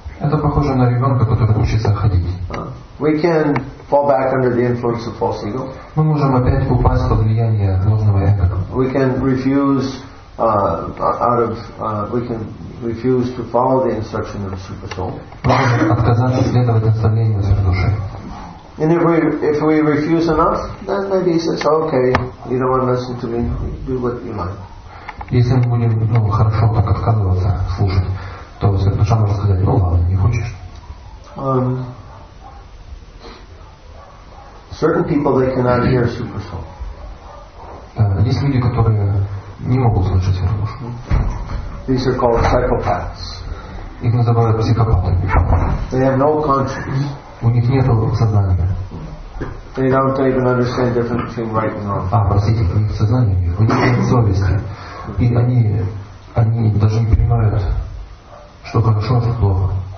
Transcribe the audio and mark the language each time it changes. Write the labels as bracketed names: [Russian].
[Russian] Это похоже на ребенка, который учится ходить. [English] We can fall back under the influence of false ego. [Russian] Мы можем опять упасть под влияние ложного эго. [English] We can refuse we can refuse to follow the instruction of the super soul. [Russian] Отказаться следовать наставлению сверхдуши. [English] And if we refuse enough, then maybe he says, okay, you don't want to listen to me, do what you like. [Russian] Если мы будем хорошо так отказываться слушать, то сверхдуша может сказать, ладно, не хочешь. [English] Certain people they cannot hear super soul. [Russian] Есть люди, которые не могут слышать эту душу. [English] These are called psychopaths. [Russian] Их называют психопатами. [English] They have no conscience. [Russian] У них нет сознания. [English] They don't even understand the difference between right and wrong. [Russian] Простите, у них сознание нет. У них нет совести. И они даже не понимают, что хорошо, что плохо.